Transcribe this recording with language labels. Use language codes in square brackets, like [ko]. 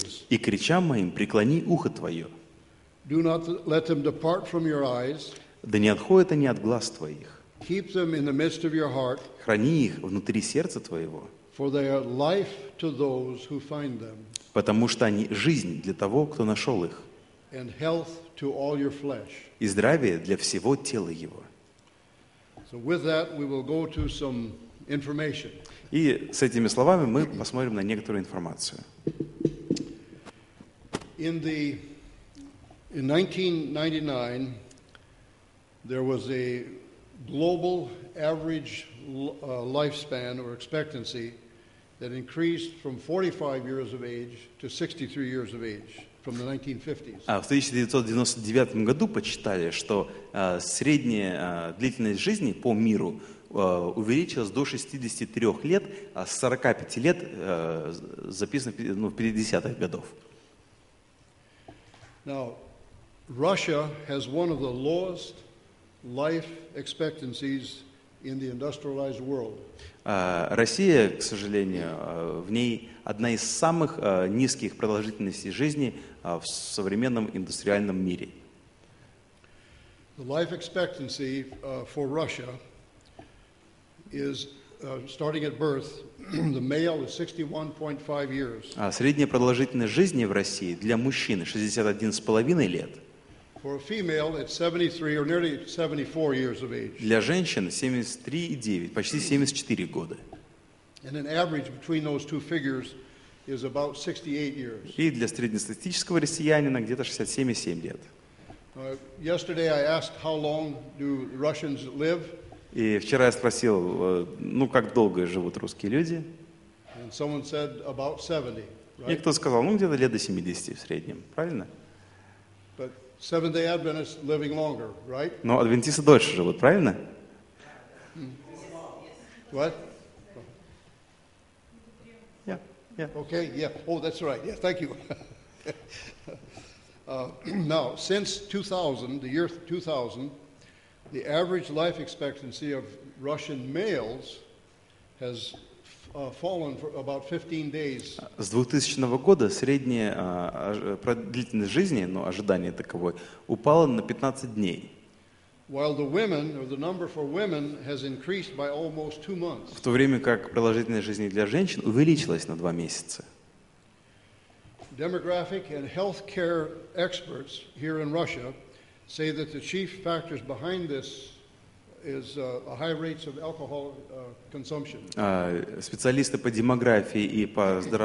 [ru] И к речам моим преклони ухо твое. [en] Do not let them depart from your eyes. [ru] Да не отходят они от глаз твоих. [en] Keep them in the midst of your heart. [ru] Храни их внутри сердца твоего. [en] For they are life to those who find them. [ru] Потому что они жизнь для того, кто нашел их. [en] And health to all your flesh. [ru] И здравие для всего тела его. [en] So with that we will go to some information. [ru] И с этими словами мы посмотрим на некоторую информацию. [en] In 1999 there was a global average lifespan or expectancy that increased from 45 years of age to 63 years of age from the 1950s. [ru] А в 1999 году подсчитали, что средняя длительность жизни по миру увеличилась до 63 лет, а с 45 лет записано в 50-х годах. [en] Now, Russia has one of the lowest life expectancies in the industrialized world. [ru] Россия, к сожалению, в ней одна из самых низких продолжительностей жизни в современном индустриальном мире. [en] The life expectancy for Russia is starting at birth, the male is 61.5 years. [ru] Средняя продолжительность жизни в России для мужчины 61,5 лет. [en] For a female, it's 73 or nearly 74 years of age. [ru] Для женщин 73,9, почти 74 года. [en] And an average between those two figures is about 68 years. [ru] И для среднестатистического россиянина где-то 67,7 лет. [en] Yesterday I asked how long do Russians live? [ru] И вчера я спросил, как долго живут русские люди? [en] And someone said about 70. [ru] И кто сказал, где-то лет до 70 в среднем, правильно? [en] Seventh-day Adventists living longer, right? [ru] Но адвентисты дольше живут, правильно? [en] What? Yeah. Okay. Yeah. Oh, that's right. Yeah. Thank you. Now, since 2000, the year 2000, the average life expectancy of Russian males has fallen for about 15 days. [ru] С 2000 года средняя продолжительность жизни, ожидание таковой, упала на 15 дней. [en] While the women, or the number for women, has increased by almost 2 months. [ru] В то время как продолжительность жизни для женщин увеличилась на 2 месяца. [en] Demographic and healthcare experts here in Russia say that the chief factors behind this is high rates of alcohol consumption. [ru] Специалисты по демографии и по